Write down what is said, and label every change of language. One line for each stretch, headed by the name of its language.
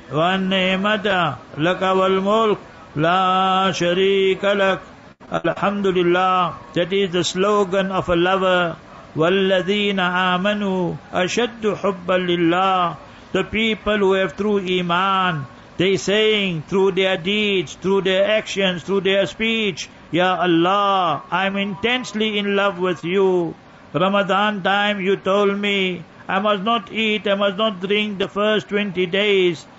Arabic: والنعمة لك والملك لا شريك لك الحمد لله.
English: That is the slogan of a lover.
Arabic: والذين آمنوا أشد حبا لله.
English: The people who have true iman, they saying through their deeds, through their actions, through their speech, Ya Allah, I'm intensely in love with you. Ramadan time you told me, I must not eat, I must not drink the first 20 days.